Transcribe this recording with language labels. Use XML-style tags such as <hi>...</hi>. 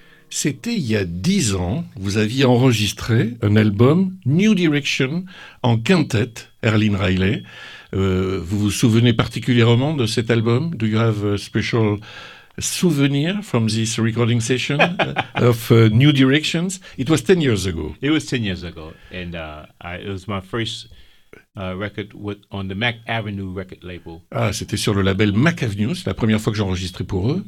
<fr>C'était il y a 10 ans, vous aviez enregistré un album New Direction en quintet, Erlene Riley. Vous vous souvenez particulièrement de cet album?</fr> <en>Do you have a special souvenir from this recording session of New Directions? It was 10 years ago. It was 10 years ago, and it was my first record on the Mac Avenue record label.</en> <fr>Ah, c'était sur le label Mac Avenue, c'est la première fois que j'enregistrais pour eux.</fr>